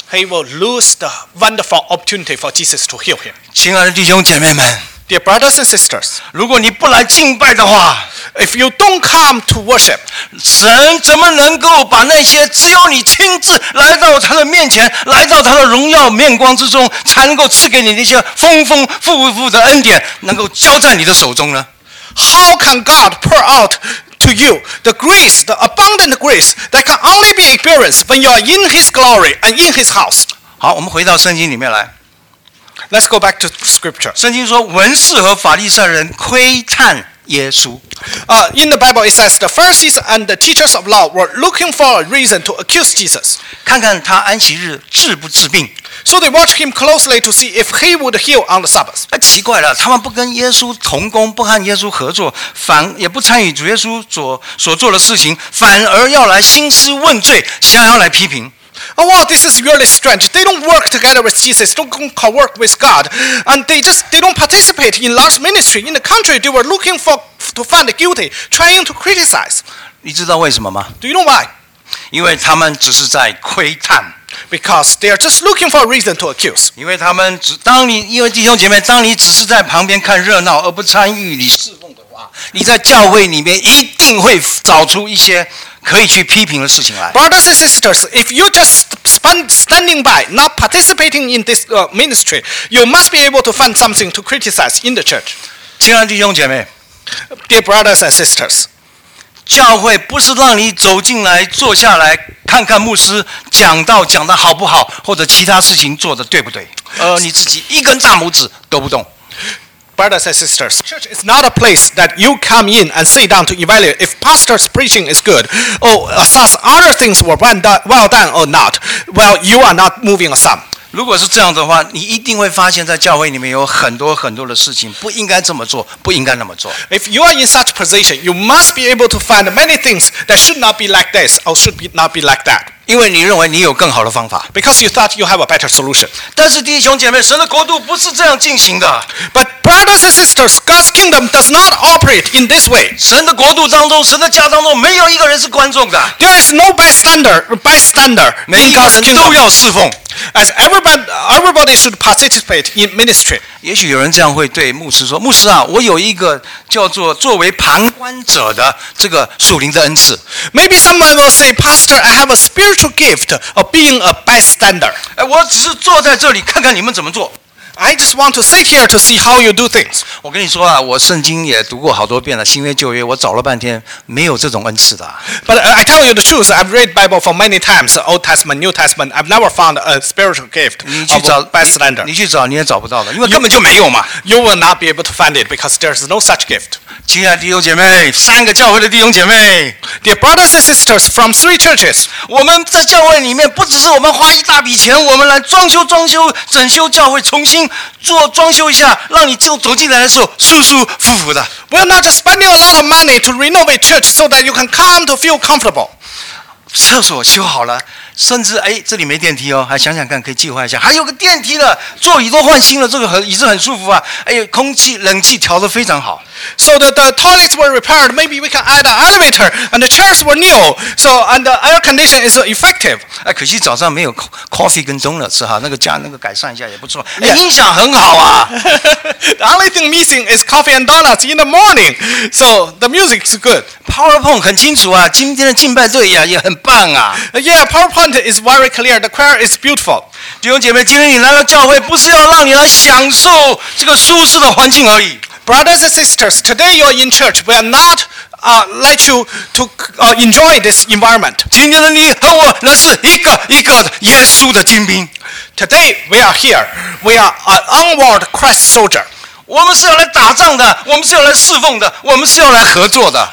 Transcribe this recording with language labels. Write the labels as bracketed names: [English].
[English] He will lose the wonderful opportunity for Jesus to heal him. [Chinese] 亲爱的弟兄姐妹们。 [English] Dear brothers and sisters, [Chinese] 如果你不来敬拜的话， [English] if you don't come to worship, [Chinese] 神怎么能够把那些只有你亲自来到他的面前，来到他的荣耀面光之中，才能够赐给你那些丰丰富富的恩典，能够交在你的手中呢？ [English] How can God pour out to you the grace, the abundant grace that can only be experienced when you are in His glory and in His house? [Chinese] 好，我们回到圣经里面来。 [English] Let's go back to scripture. [Chinese] 圣经说，文士和法利赛人窥探耶稣。 [English] In the Bible, it says the Pharisees and the teachers of law were looking for a reason to accuse Jesus. [Chinese] 看看他安息日治不治病。 [English] So they watched him closely to see if he would heal on the Sabbath. [Chinese] 那奇怪了，他们不跟耶稣同工，不和耶稣合作，反也不参与主耶稣所做的事情，反而要来兴师问罪，想要来批评。 [English] Oh, wow, this is really strange. They don't work together with Jesus, don't co-work with God, and they don't participate in large ministry. In the country, they were looking for to find the guilty, trying to criticize. [Chinese] 你知道为什么吗？ [English] Do you know why? [Chinese] 因为他们只是在窥探。 [English] Because they are just looking for a reason to accuse. [Chinese] 因为他们只当你因为弟兄姐妹，当你只是在旁边看热闹而不参与你侍奉的话，你在教会里面一定会找出一些。可以去批评的事情来。 [English] Brothers and sisters, if you just standing by, not participating in this ministry, you must be able to find something to criticize in the church. [Chinese] 亲爱的弟兄姐妹 [English] ，Dear brothers and sisters, [Chinese] 教会不是让你走进来坐下来看看牧师讲道讲的好不好，或者其他事情做的对不对，而你自己一根大拇指都不动。 [English] Brothers and sisters, church is not a place that you come in and sit down to evaluate if pastor's preaching is good or assess other things were well done or not. Well, you are not moving a thumb. [Chinese] 如果是这样的话，你一定会发现在教会里面有很多很多的事情不应该这么做，不应该那么做。 [English] If you are in such position, you must be able to find many things that should not be like this or should not be like that. [Chinese] 因为你认为你有更好的方法。 [English] Because you thought you have a better solution. [Chinese] 但是弟兄姐妹，神的国度不是这样进行的。 [English] But brothers and sisters, God's kingdom does not operate in this way. [Chinese] 神的国度当中，神的家当中，没有一个人是观众的。 [English] There is no bystander in God's kingdom. [Chinese] 每一个人都要侍奉。 [English] as everybody should participate in ministry. [Chinese] 也许有人这样会对牧师说：“牧师啊，我有一个叫做作为旁观者的这个属灵的恩赐。” [English] Maybe someone will say, "Pastor, I have a spiritual gift of being a bystander." [Chinese] 我只是坐在这里看看你们怎么做。 [English] I just want to sit here to see how you do things. [Chinese] 我跟你说啊，我圣经也读过好多遍了，新约旧约，我找了半天没有这种恩赐的。 [English] But I tell you the truth, I've read Bible for many times, Old Testament, New Testament. I've never found a spiritual gift. [Chinese] 你去找 [English] bystander， [Chinese] 你去找你也找不到的，因为根本就没有嘛。 [English] You will not be able to find it because there's no such gift. [Chinese] 亲爱的弟兄姐妹，三个教会的弟兄姐妹 [English] ，Dear brothers and sisters from three churches， [Chinese] 我们在教会里面不只是我们花一大笔钱，我们来装修、整修教会，重新。做装修一下，让你走进来的时候舒舒服服的。 [English] We're not spending a lot of money to renovate church so that you can come to feel comfortable. [Chinese] 厕所修好了，甚至哎，这里没电梯哦，还想想看可以计划一下。还有个电梯的座椅都换新了，这个椅子很舒服啊。哎，空气冷气调得非常好。 [English] So the toilets were repaired. Maybe we can add an elevator and the chairs were new. So and the air condition is effective. [Chinese] 哎，可惜早上没有 coffee 跟 donuts 哈，那个改善一下也不错。哎，音响很好啊。 [English] The only thing missing is coffee and donuts in the morning. So the music is good. [Chinese] PowerPoint 很清楚啊，今天的敬拜队呀也很棒啊。 [English] Yeah, PowerPoint is very clear. The choir is beautiful. [Chinese] 弟兄姐妹，今天你来到教会不是要让你来享受这个舒适的环境而已。 [English] Brothers and sisters, today you are in church. We are not let you to enjoy this environment. [Chinese] 今天的你和我乃是一个一个耶稣的精兵。 [English] Today we are here. We are an onward Christ soldier. [Chinese] 我们是要来打仗的，我们是要来侍奉的，我们是要来合作的。